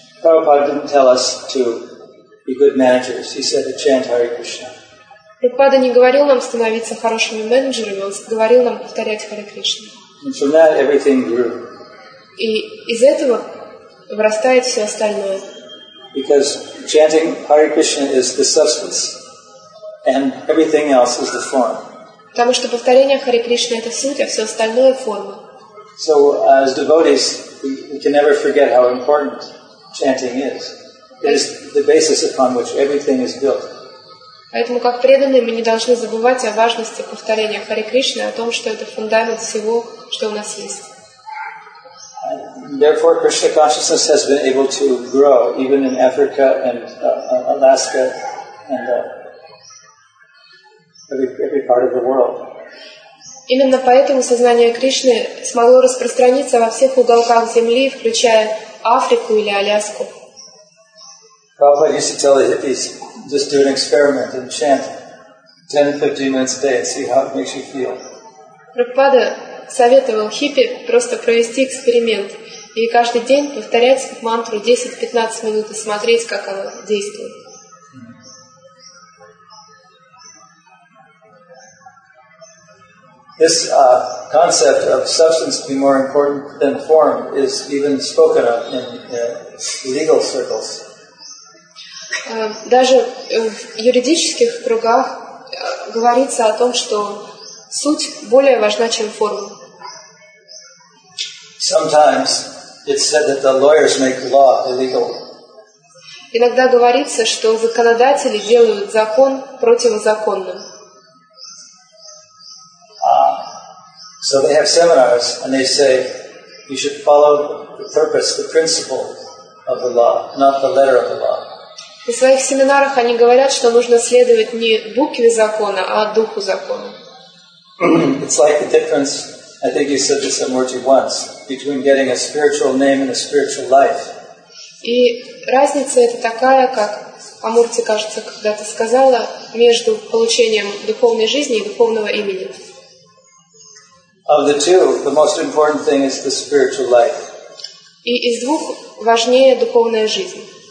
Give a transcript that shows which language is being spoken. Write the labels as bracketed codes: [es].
[en] Prabhupada didn't tell us to be good managers. He said to chant Hare Krishna. [ru] Prabhupada не говорил нам становиться хорошими менеджерами, он говорил нам повторять Харе Кришну. [en] And from that everything grew. [ru] И из этого вырастает все остальное. [en] Because chanting Hare Krishna is the substance, and everything else is the form. [ru] Потому что повторение Харе Кришны это суть, а все остальное форма. [en] So as devotees, we can never forget how important chanting is. It is the basis upon which everything is built. [ru] Поэтому как преданные мы не должны забывать о важности повторения Харе Кришны, о том, что это фундамент всего, что у нас есть. [en] Therefore, Krishna consciousness has been able to grow even in Africa and Alaska and every part of the world. [ru] Именно поэтому сознание Кришны смогло распространиться во всех уголках земли, включая Африку или Аляску. [en] Prabhupada used to tell the hippies, just do an experiment and chant 10-15 minutes a day and see how it makes you feel. [ru] Prabhupada советовал хиппи просто провести эксперимент и каждый день повторять мантру 10-15 минут и смотреть, как она действует. [en] This concept of substance being more important than form is even spoken of in legal circles. [ru] Даже в юридических кругах говорится о том, что суть более важна, чем форма. [en] Sometimes it's said that the lawyers make law illegal. [ru] Иногда говорится, что законодатели делают закон противозаконным. [en] So they have seminars and they say you should follow the purpose, the principle of the law, not the letter of the law. [ru] На своих семинарах они говорят, что нужно следовать не букве закона, а духу закона. [en] It's like the difference. I think you said this at Murti once, between getting a spiritual name and a spiritual life. [ru] И разница это такая, как Амурти, кажется, когда-то сказала, между получением духовной жизни и духовного имени. [en] Of the two, the most important thing is the spiritual life. [ru] И из двух важнее духовная жизнь.